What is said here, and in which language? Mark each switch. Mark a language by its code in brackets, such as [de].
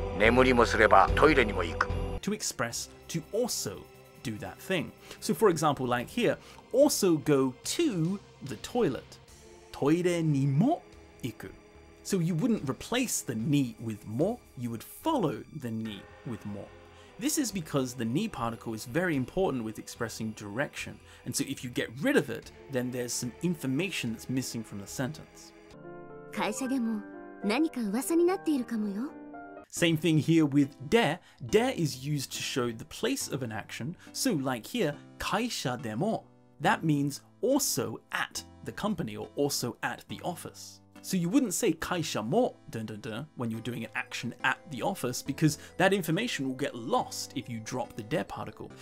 [ja] 眠りもすればトイレにも行く。 [en] To express to also do that thing. So for example, like here, also go to the toilet. [ja] トイレにも行く。 [en] So you wouldn't replace the ni with mo, you would follow the ni with mo. This is because the ni particle is very important with expressing direction. And so if you get rid of it, then there's some information that's missing from the sentence. [ja] 会社でも何か噂になっているかもよ。 [en] Same thing here with de. De is used to show the place of an action. So like here, 会社 demo. That means also at the company or also at the office. So you wouldn't say 会社も, dun dun dun, when you're doing an action at the office, because that information will get lost if you drop the de particle.